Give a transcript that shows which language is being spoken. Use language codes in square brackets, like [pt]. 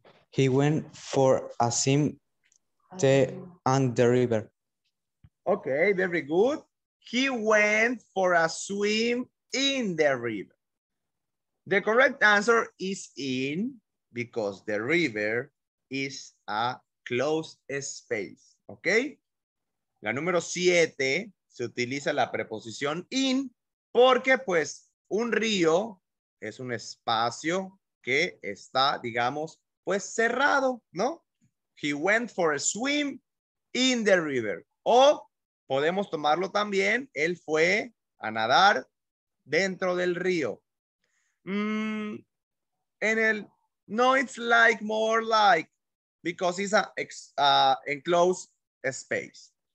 [en] He went for a swim on the river. Okay, very good. He went for a swim in the river. The correct answer is in, because the river is a closed space. [es] ¿Ok? La número 7, se utiliza la preposición in porque, pues, un río es un espacio que está, digamos, pues, cerrado, ¿no? [en] He went for a swim in the river. [es] O podemos tomarlo también, él fue a nadar dentro del río. En el, no, [en] it's like, more like, because it's an enclosed space.